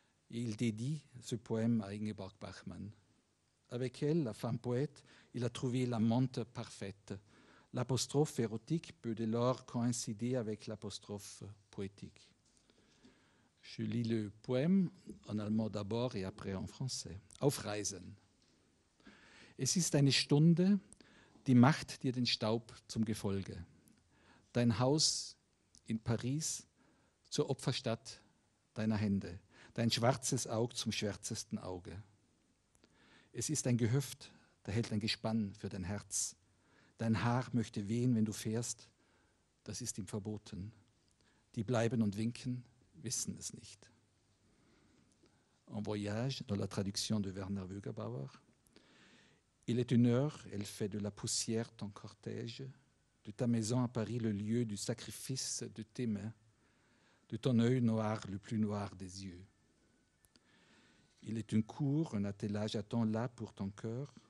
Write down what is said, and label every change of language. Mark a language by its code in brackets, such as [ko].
[fr] Et il dédie ce poème à Ingeborg Bachmann. Avec elle, la femme poète, il a trouvé l'amante parfaite. L'apostrophe érotique peut dès lors coïncider avec l'apostrophe poétique. Je lis le poème en allemand d'abord et après en français. [de] Auf Reisen. Es ist eine Stunde, die macht dir den Staub zum Gefolge. Dein Haus in Paris zur Opferstadt deiner Hände. Dein schwarzes Auge zum schwärzesten Auge. Es ist ein Gehöft, da hält ein Gespann für dein Herz. Dein Haar möchte wehen, wenn du fährst. Das ist ihm verboten. Die bleiben und winken, wissen es nicht. [fr] En voyage, dans la traduction de Werner Wögerbauer. Il est une heure, elle fait de la poussière ton cortège. De ta maison à Paris, le lieu du sacrifice de tes mains. De ton œil noir, le plus noir des yeux. Il est une cour, un attelage attend là pour ton cœur.